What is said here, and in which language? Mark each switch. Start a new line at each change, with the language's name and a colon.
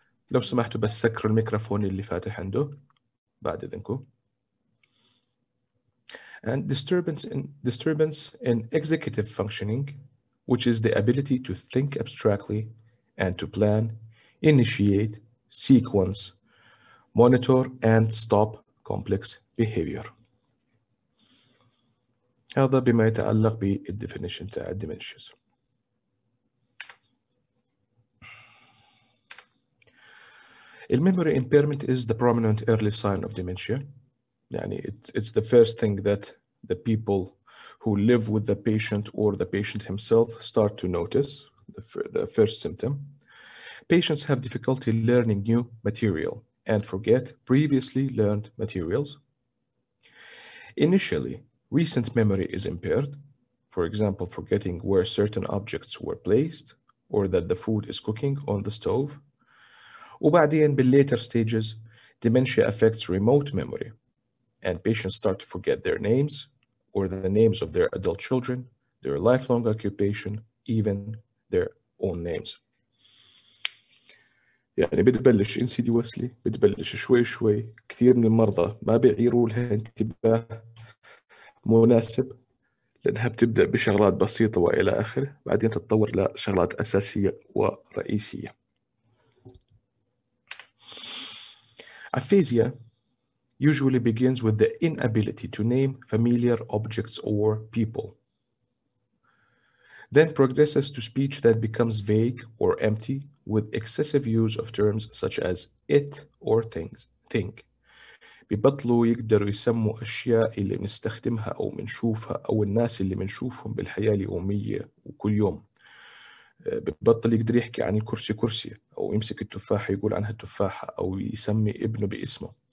Arabic: لو سمحتوا بس سكر الميكروفون اللي فاتح عنده بعد إذنكو.
English: And disturbance in executive functioning, which is the ability to think abstractly and to plan, initiate, sequence, monitor and stop complex behavior.
Arabic: هذا بما يتعلق بالديفينيشن تاع الديمنشيز.
English: الميموري امبيرمنت از ذا برومينانت ايرلي ساين اوف ديمنشيا، يعني اتس ذا فيرست ثينج ذات ذا بيبل هو ليف وذ ذا بيشنت اور ذا بيشنت هيم سيلف ستارت تو نوتس ذا فيرست سيمتوم. بيشنتس هاف ديفيكولتي ليرنينج نيو ماتيريال اند فورجيت بريفيسلي ليرند ماتيريالز. انيشيالي recent memory is impaired, for example, forgetting where certain objects were placed or that the food is cooking on the stove.
Arabic: وبعدين
English: بالlater stages, dementia affects remote memory and patients start to forget their names or the names of their adult children, their lifelong occupation, even their own names.
Arabic: يعني بتبلش insidiously, بتبلش شوي شوي. كثير من المرضى ما بيعيروا لها انتباه مناسب لأنها بتبدأ بشغلات بسيطة وإلى آخر، بعدين تتطور لشغلات أساسية ورئيسية.
English: Aphasia usually begins with the inability to name familiar objects or people. Then progresses to speech that becomes vague or empty with excessive use of terms such as it or things. Think.
Arabic: ببطلوا يقدروا يسموا أشياء اللي بنستخدمها أو بنشوفها أو الناس اللي بنشوفهم بالحياة اليومية وكل يوم. ببطل يقدر يحكي عن الكرسي كرسي أو يمسك التفاحة يقول عنها التفاحة أو يسمي ابنه باسمه.